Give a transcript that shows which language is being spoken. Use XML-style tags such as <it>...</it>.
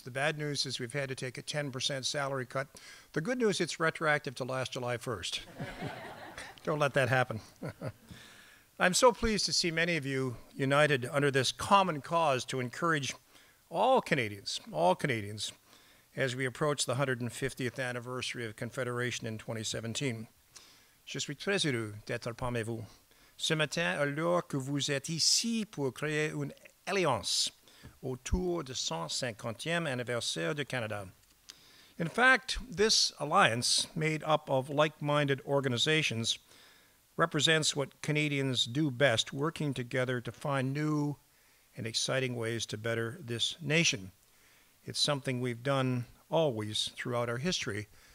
<en>The bad news is we've had to take a 10% salary cut. The good news, it's retroactive to last July 1st. Don't let that happen. I'm so pleased to see many of you united under this common cause to encourage all Canadians, as we approach the 150th anniversary of Confederation in 2017.</en> <fr>Je suis très heureux d'être parmi vous. Ce matin, alors que vous êtes ici pour créer une alliance autour du 150e anniversaire du Canada.</fr> <en>In fact, this alliance, made up of like-minded organizations, represents what Canadians do best, working together to find new and exciting ways to better this nation. It's something we've done always throughout our history.</en>